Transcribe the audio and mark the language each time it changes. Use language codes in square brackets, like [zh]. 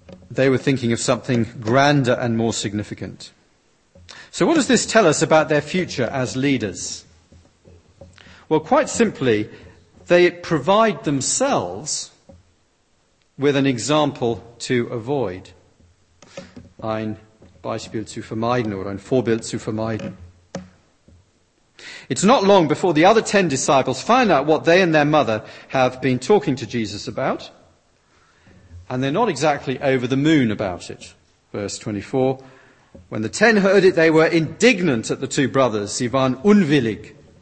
[en] They were thinking of something grander and more significant. So what does this tell us about their future as leaders? Well, quite simply, they provide themselves with an example to avoid. [de] Ein Beispiel zu vermeiden, or ein Vorbild zu vermeiden. [en] It's not long before the other 10 disciples find out what they and their mother have been talking to Jesus about. And they're not exactly over the moon about it. Verse 24, when the 10 heard it, they were indignant at the two brothers. [de] Sie waren unwillig.